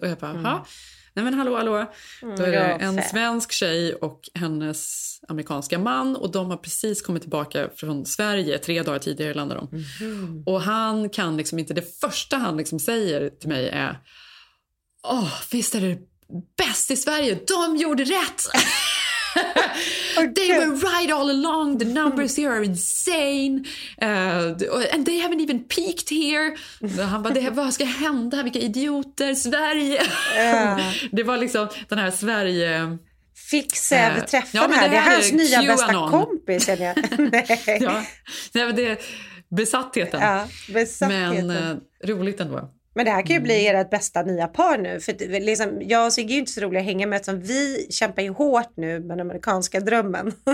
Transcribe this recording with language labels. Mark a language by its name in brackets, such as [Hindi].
[Swedish] Och jag bara, nej men hallå. Då är det en svensk tjej och hennes amerikanska man. Och de har precis kommit tillbaka från Sverige. 3 dagar tidigare landar de. Och han kan liksom inte, det första han liksom säger till mig är, åh, visst är det bäst i Sverige? De gjorde rätt! [English] They were right all along. The numbers here are insane. And they haven't even peaked here. [Swedish] Han bara, vad ska hända? Vilka idioter, Sverige. Det var liksom den här Sverige... Fick Säv träffa det här är hans nya QAnon. Bästa kompis. Nej. Ja, det är besattheten. Ja, besattheten. Men roligt ändå. Men det här kan ju bli ert bästa nya par nu. För liksom, jag och Sigge är ju inte så roliga att hänga med, eftersom vi kämpar ju hårt nu med den amerikanska drömmen.